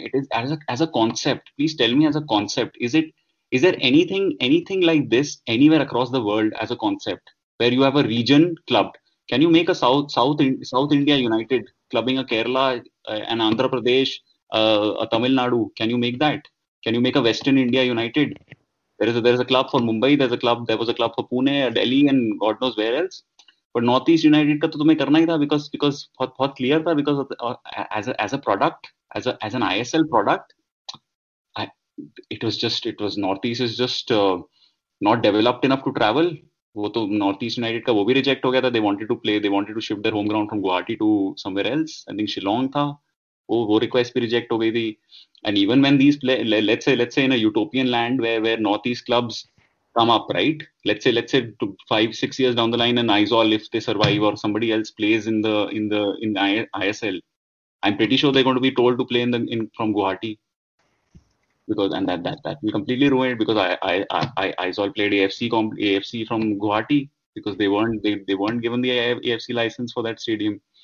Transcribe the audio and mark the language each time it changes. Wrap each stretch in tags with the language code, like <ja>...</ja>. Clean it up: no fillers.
<en>It is as a concept, please tell me, as a concept, is there anything like this anywhere across the world as a concept, where you have a region club? Can you make a South India United clubbing a Kerala, an Andhra Pradesh, a Tamil Nadu? Can you make that? Can you make a Western India United? There is a club for Mumbai, there was a club for Pune or Delhi and God knows where else. But</en> <hi>north east United का तो तुम्हें करना ही था, because बहुत बहुत clear था,</hi> <en>Because as a product, as an ISL product, it was north east is just not developed enough to travel.</en> <hi>वो तो नॉर्थ ईस्ट यूनाइटेड का वो भी रिजेक्ट हो गया था.</hi> <en>they wanted to shift their home ground from Guwahati to somewhere else, I think</en> <hi>Shillong था, वो रिक्वेस्ट भी रिजेक्ट हो गई थी.</hi> <en>And even when these let's say in a utopian land where north east clubs come up, right? Let's say 5-6 years down the line, and Aizawl, if they survive, or somebody else plays in ISL, I'm pretty sure they're going to be told to play from Guwahati, because and that will completely ruin it, because Aizawl played AFC from Guwahati, because they weren't given the AFC license for that stadium.</en>